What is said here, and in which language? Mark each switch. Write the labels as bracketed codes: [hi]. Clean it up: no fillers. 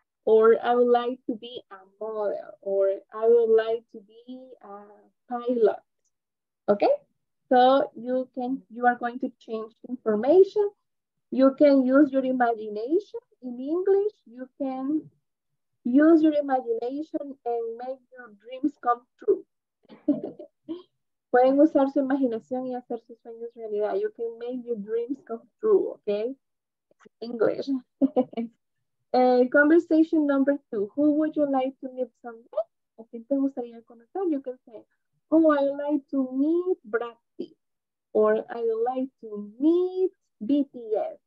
[en] Or I would like to be a model, or I would like to be a pilot, okay? So you are going to change the information. You can use your imagination in English. You can use your imagination and make your dreams come true. [es] Pueden usar su imaginación y hacer sus sueños realidad. [en] You can make your dreams come true, okay? English. conversation number two. Who would you like to meet someday? [es] ¿A quién te gustaría conocer? [en] You can say, oh, I like to meet Brad Pitt. Or I like to meet BTS.